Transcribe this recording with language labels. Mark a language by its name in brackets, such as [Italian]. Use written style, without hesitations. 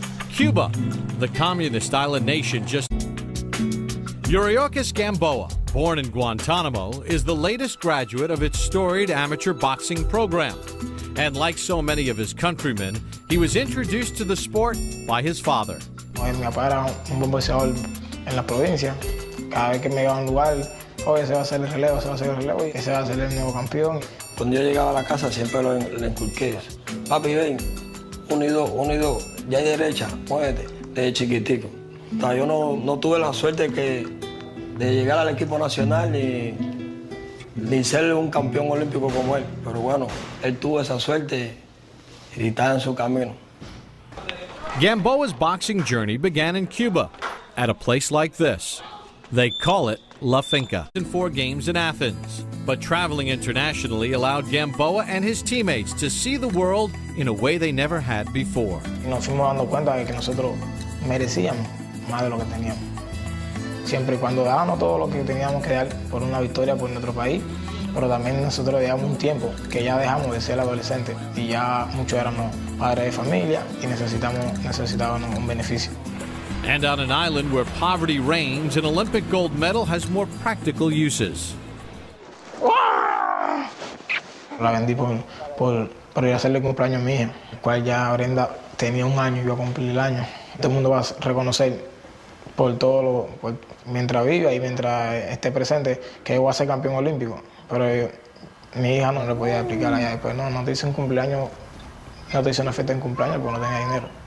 [English] Cuba, the communist island nation, just... Yuriorkis Gamboa, born in Guantanamo, is the latest graduate of its storied amateur boxing program. And like so many of his countrymen, he was introduced to the sport by his father. [Spanish] Mi papá era un buen boxeador en la provincia. Cada vez que me llevaba a un lugar, oye, se va a hacer el relevo, se va a hacer el relevo, y se va a hacer el nuevo campeón. Cuando yo llegaba a la casa, siempre lo inculqué. Papi, ven, unido, unido, ya hay derecha, muévete, desde chiquitico. O sea, yo no tuve la suerte de llegar al equipo nacional ni ser un campeón olímpico como él. Pero bueno, él tuvo esa suerte y está en su camino. [English] Gamboa's boxing journey began in Cuba, at a place like this. They call it La Finca. In four games in Athens, but traveling internationally allowed Gamboa and his teammates to see the world in a way they never had before. [Spanish] Nos fuimos dando cuenta de que nosotros merecíamos más de lo que teníamos. Siempre y cuando dábamos todo lo que teníamos que dar por una victoria por nuestro país, pero también nosotros llevamos un tiempo que ya dejamos de ser adolescentes y ya muchos éramos padres de familia y necesitábamos un beneficio. [English] And on an island where poverty reigns, an Olympic gold medal has more practical uses. [Spanish] La vendí por ir a hacerle cumpleaños a mi hija, cual ya Brenda tenía un año y yo cumplí el año. Todo el mundo va a reconocer por todo lo por, mientras viva y mientras esté presente que voy a ser campeón olímpico. Pero mi hija no le podía explicar allá después, no te hice un cumpleaños, no te hice una fiesta en cumpleaños porque no tenía dinero.